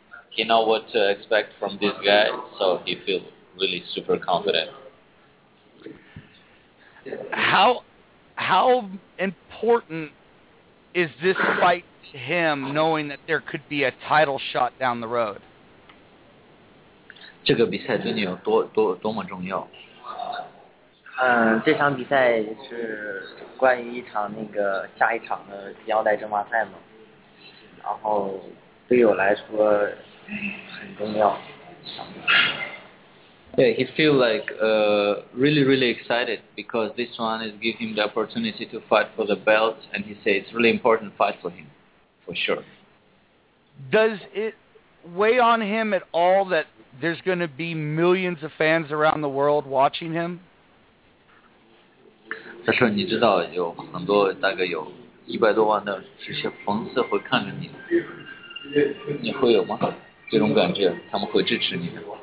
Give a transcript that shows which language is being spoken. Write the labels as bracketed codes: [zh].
[en] He know what to expect from this guy, so he feel really super confident. How important is this fight to him, knowing that there could be a title shot down the road? [zh] 这个比赛对你有多么重要？这场比赛是关于一场那个下一场的腰带争霸赛嘛，然后对我来说很重要。 [en] Yeah, he feel like really, really excited because this one is giving him the opportunity to fight for the belt, and he says it's really important fight for him, for sure. Does it weigh on him at all that there's going to be millions of fans around the world watching him? [zh] 他说你知道有很多大概有100多万的这些粉丝会看着你，你会有吗？这种感觉，他们会支持你的。